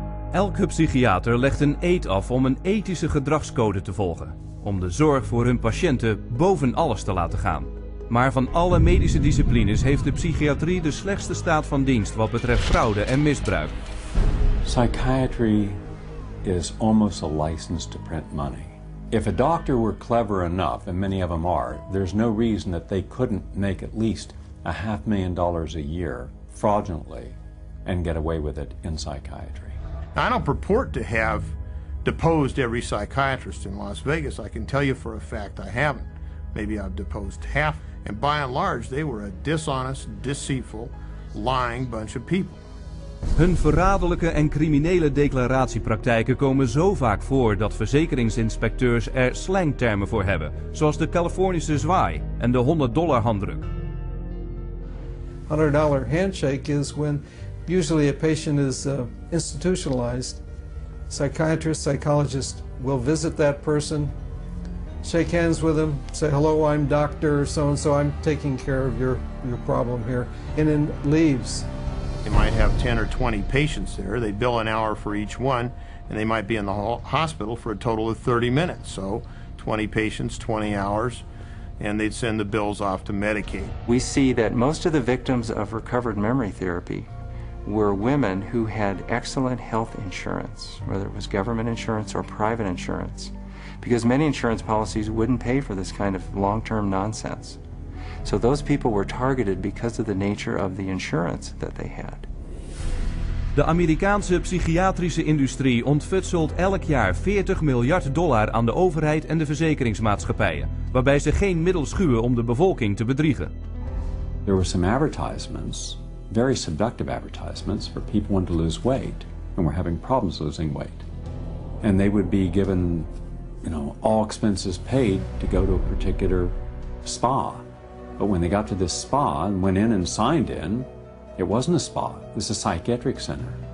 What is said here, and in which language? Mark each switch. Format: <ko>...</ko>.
<nl>Elke psychiater legt een eed af om een ethische gedragscode te volgen, om de zorg voor hun patiënten boven alles te laten gaan. Maar van alle medische disciplines heeft de psychiatrie de slechtste staat van dienst wat betreft fraude en misbruik.</nl> <en>Psychiatry is almost a license to print money. If a doctor were clever enough, and many of them are, there's no reason that they couldn't make at least $500,000 a year fraudulently and get away with it in psychiatry. I don't purport to have deposed every psychiatrist in Las Vegas. I can tell you for a fact I haven't. Maybe I've deposed half. And by and large, they were a dishonest, deceitful, lying bunch of people.</en> <nl>Hun verraderlijke en criminele declaratiepraktijken komen zo vaak voor dat verzekeringsinspecteurs er slangtermen voor hebben, zoals de Californische zwaai en de $100 handdruk.</nl> <en>$100 handshake is when usually a patient is institutionalized. Psychiatrist, psychologist will visit that person, shake hands with him, say hello, I'm doctor so and so, I'm taking care of your problem here, and then leaves. They might have 10 or 20 patients there. They bill an hour for each one, and they might be in the hospital for a total of 30 minutes. So 20 patients, 20 hours, and they'd send the bills off to Medicaid. We see that most of the victims of recovered memory therapy were women who had excellent health insurance, whether it was government insurance or private insurance, because many insurance policies wouldn't pay for this kind of long-term nonsense. So those people were targeted because of the nature of the insurance that they had.</en> <nl>De Amerikaanse psychiatrische industrie ontfutselt elk jaar $40 miljard aan de overheid en de verzekeringsmaatschappijen, waarbij ze geen middel schuwen om de bevolking te bedriegen.</nl> <en>There were some advertisements, very seductive advertisements, for people wanting to lose weight and were having problems losing weight. And they would be given, you know, all expenses paid to go to a particular spa. But when they got to this spa and went in and signed in, it wasn't a spa, it was a psychiatric center.</en>